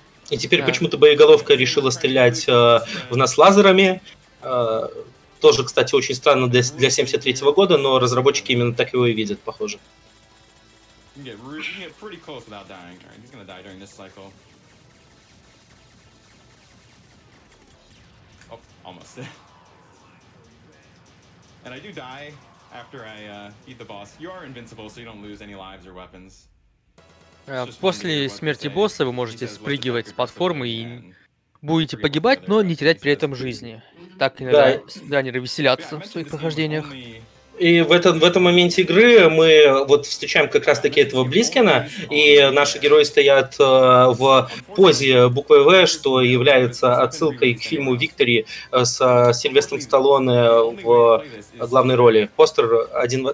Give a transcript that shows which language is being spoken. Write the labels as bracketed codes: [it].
[ru] И теперь почему-то боеголовка решила стрелять в нас лазерами. Тоже, кстати, очень странно для 73-го года, но разработчики именно так его и видят, похоже. [en] You can get pretty close without dying. All right, he's gonna die during this cycle. Almost. And I do die after I beat the boss. You are invincible, so you don't lose any lives or weapons. [ru] После смерти босса вы можете спрыгивать с платформы и будете погибать, но не терять при этом жизни. Так иногда спидранеры веселятся в своих прохождениях. И в этом моменте игры мы вот встречаем как раз-таки этого Близкина, и наши герои стоят в позе буквы «В», что является отсылкой к фильму «Виктори» с Сильвестром Сталлоне в главной роли. Постер один в...